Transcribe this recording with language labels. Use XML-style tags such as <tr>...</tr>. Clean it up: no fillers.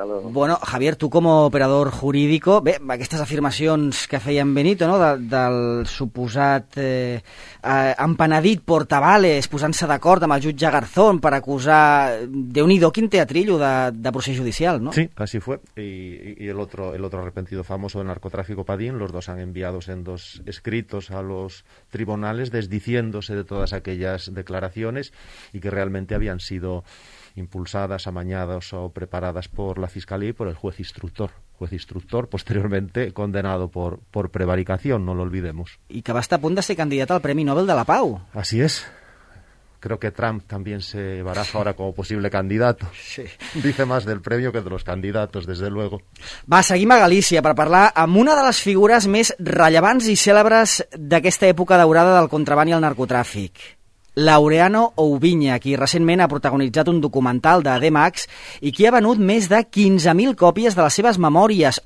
<ca>Bueno, Javier, tu com a operador jurídic, bé, aquestes afirmacions que feia en Benito, no?, del suposat empenedit Portavales posant-se d'acord amb el jutge Garzón per acusar, déu-n'hi-do, quin teatrillo de procés judicial, no?</ca> <es>Sí, así fue. Y el otro arrepentido famoso del narcotráfico, Padín, los dos han enviado en dos escritos a los tribunales desdiciéndose de todas aquellas declaraciones y que realmente habían sido impulsadas, amañadas o preparadas por la fiscalía y por el juez instructor posteriormente condenado por prevaricación, no lo olvidemos.</es> <ca>Y que va estar a punt de ser candidat al Premi Nobel de la Pau.</ca> <es>Así es. Creo que Trump también se baraja ahora como posible candidato. Sí. Dice más del premio que de los candidatos, desde luego.</es> <ca>Va, seguim a Galícia per parlar amb una de les figures més rellevants i cèlebres d'aquesta època daurada del contraban i el narcotràfic. Laureano Ubiña, qui recentment ha protagonitzat un documental de D-Max i qui ha venut més de 15.000 còpies de les seves memòries.</ca>